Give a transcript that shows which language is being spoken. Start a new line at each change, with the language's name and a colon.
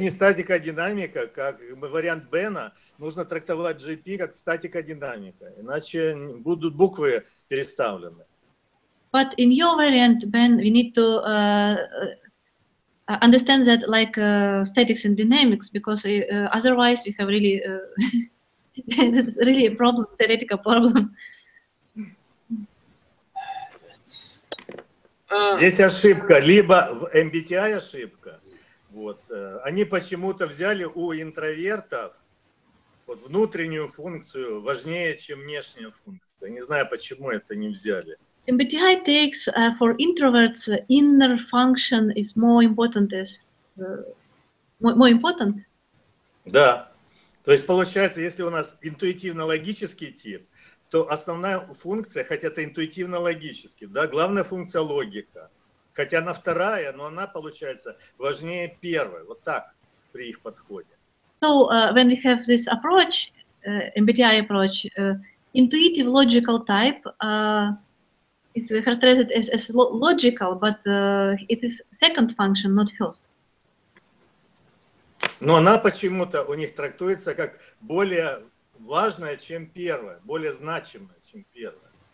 Russian: не статика динамика, как вариант Бена, нужно трактовать GP как статика динамика, иначе будут буквы переставлены.
English: But in your variant, Ben, we need to understand that like statics and dynamics, because otherwise you have really it's really a problem, theoretical problem.
Russian: Здесь ошибка, либо в MBTI ошибка. Вот. Они почему-то взяли у интровертов вот внутреннюю функцию важнее, чем внешнюю функцию. Не знаю, почему это не взяли.
English: MBTI takes for introverts inner function is more important. More important?
Russian: Да. То есть получается, если у нас интуитивно-логический тип, то основная функция, хотя это интуитивно-логически, да, главная функция логика. Хотя она вторая, но она получается важнее первой. Вот так при их подходе.
English: So when we have this approach, MBTI approach, intuitive logical type is characterized as logical, but it is second function, not first.
Russian: Но она почему-то у них трактуется как более важная, чем первая, более значимая, чем первая.